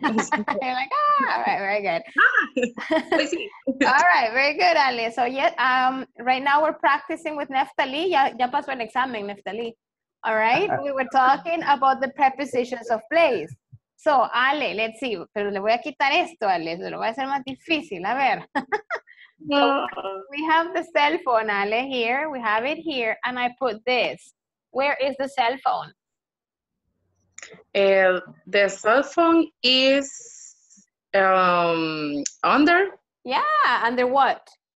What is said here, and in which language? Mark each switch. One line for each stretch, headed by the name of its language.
English: You're like, all right, very good. All right, very good, Ale. So, yeah, right now we're practicing with Neftali.
Spanish: Ya pasó el examen,
English: Neftali. All right, we were talking about the prepositions of place. So, Ale, let's see.
Spanish: Pero le voy a quitar esto, Ale. Se lo voy a hacer más difícil, a ver.
English: So, we have the cell phone, Ale, here. We have it here, and I put this. Where is the cell phone? The cell phone is under. Yeah, under what?